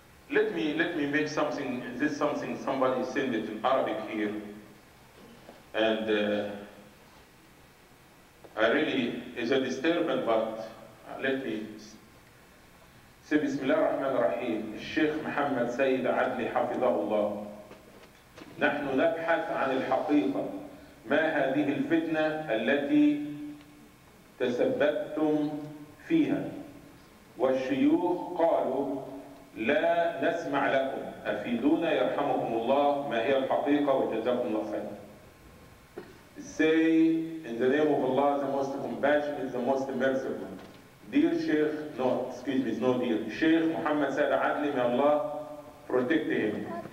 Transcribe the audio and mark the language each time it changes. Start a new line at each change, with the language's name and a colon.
English: Let me make something. Is this something somebody sent it in Arabic here? And I really, it's a disturbance, but let me say,
Arabic: Bismillah ar-Rahman ar-Rahim,
English: Sheikh Muhammad Sayyid Adli Hafidahullah.
Arabic: نحن نبحث عن الحقيقة. ما هذه الفتنة التي تسببتم فيها؟ والشيوخ قالوا لا نسمع لكم. أفيدونا يرحمكم الله ما هي الحقيقة وجزاكم الله خيرا.
English: Say in the name of Allah, the most compassionate, the most merciful. Dear Sheikh, no, excuse me, no dear. Sheikh Muhammad Sayyid Adli, may Allah protect him.